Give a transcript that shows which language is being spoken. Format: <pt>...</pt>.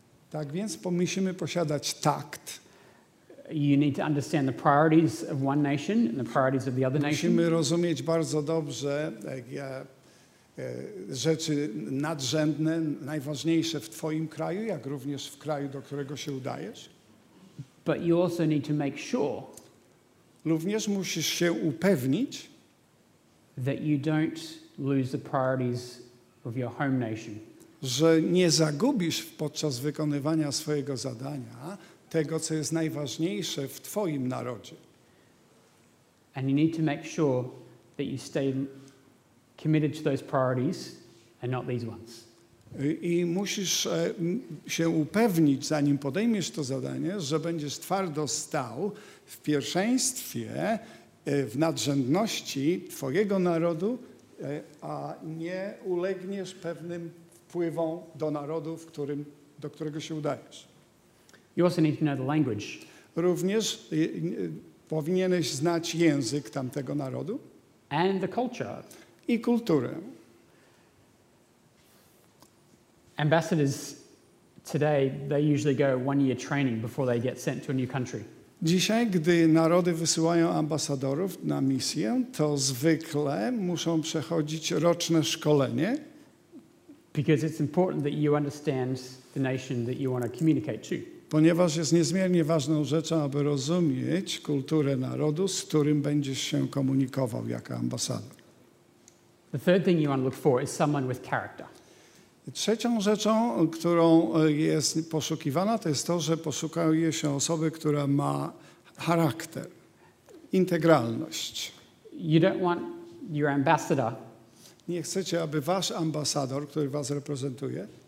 <pl>Tak więc musimy posiadać tact.</pl> <en>You need to understand the priorities of one nation and the priorities of the other nation.</en> <pl>Musimy rozumieć bardzo dobrze rzeczy nadrzędne, najważniejsze w twoim kraju, jak również w kraju, do którego się udajesz.</pl> <en>But you also need to make sure.</en> <pl>Również musisz się upewnić,</pl> <en>that you don't lose the priorities of your home nation.</en> <pl>Że nie zagubisz podczas wykonywania swojego zadania tego, co jest najważniejsze w twoim narodzie.</pl> <en>And you need to make sure that you stay committed to those priorities and not these ones.</en> <pl>I musisz się upewnić, zanim podejmiesz to zadanie, że będziesz twardo stał w pierwszeństwie, w nadrzędności twojego narodu, a nie ulegniesz pewnym wpływom do narodu, w którym, do którego się udajesz.</pl> <en>You also need to know the language.</en> <pl>Również powinieneś znać język tamtego narodu</pl> <en>and the culture.</en> <pl>I kulturę.</pl> <en>Ambassadors today, they usually go one-year training before they get sent to a new country.</en> <pl>Dzisiaj, gdy narody wysyłają ambasadorów na misję, to zwykle muszą przechodzić roczne szkolenie.</pl> <en>Because it's important that you understand the nation that you want to communicate to.</en> <pl>Ponieważ jest niezmiernie ważną rzeczą, aby rozumieć kulturę narodu, z którym będziesz się komunikował jako ambasador.</pl> <en>The third thing you want to look for is someone with character.</en> <pl>Trzecią rzeczą, którą jest poszukiwana, to jest to, że poszukuje się osoby, która ma charakter, integralność.</pl> <en>You don't want your ambassador.</en> <pl>Nie chcecie, aby wasz ambasador, który was reprezentuje,</pl>